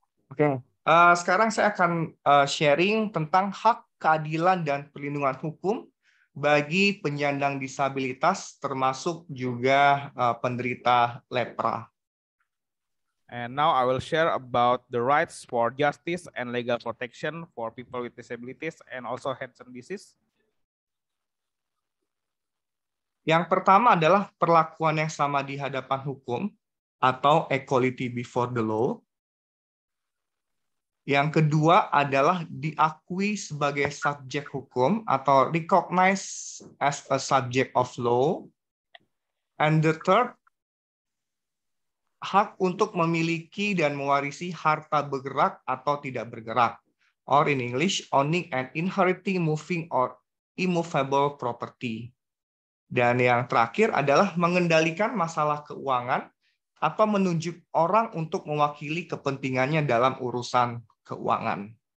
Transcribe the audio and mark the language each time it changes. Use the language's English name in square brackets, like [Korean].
[Indonesian] Oke. Okay. Sekarang saya akan sharing tentang hak, keadilan, dan perlindungan hukum bagi penyandang disabilitas, termasuk juga penderita lepra. [English] And now I will share about the rights for justice and legal protection for people with disabilities and also Hansen disease. [Indonesian] Yang pertama adalah perlakuan yang sama di hadapan hukum atau [English] equality before the law. [Indonesian] Yang kedua adalah diakui sebagai subjek hukum atau [English] recognized as a subject of law. And the third, [Indonesian] hak untuk memiliki dan mewarisi harta bergerak atau tidak bergerak. [English] Or in English, owning and inheriting moving or immovable property. [Indonesian] Dan yang terakhir adalah mengendalikan masalah keuangan atau menunjuk orang untuk mewakili kepentingannya dalam urusan keuangan.